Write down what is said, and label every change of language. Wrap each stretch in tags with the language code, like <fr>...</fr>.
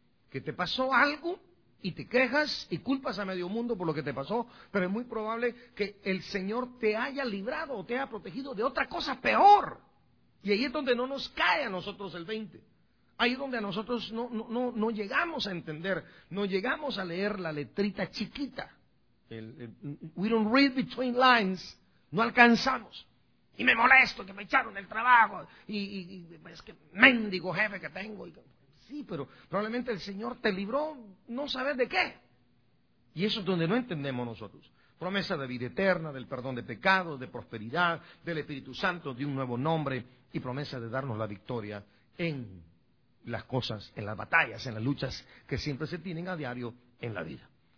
<es>Que te pasó algo y te quejas y culpas a medio mundo por lo que te pasó, pero es muy probable que el Señor te haya librado o te haya protegido de otra cosa peor. Y ahí es donde no nos cae a nosotros el 20. Ahí es donde a nosotros no llegamos a entender, no llegamos a leer la letrita chiquita.</es> <en>We don't read between lines,</en> <es>no alcanzamos. Y me molesto que me echaron del trabajo, y es que mendigo jefe que tengo. Y, sí, pero probablemente el Señor te libró no saber de qué. Y eso es donde no entendemos nosotros. Promesa de vida eterna, del perdón de pecados, de prosperidad, del Espíritu Santo, de un nuevo nombre, y promesa de darnos la victoria en las cosas, en las batallas, en las luchas que siempre se tienen a diario en la vida.</es>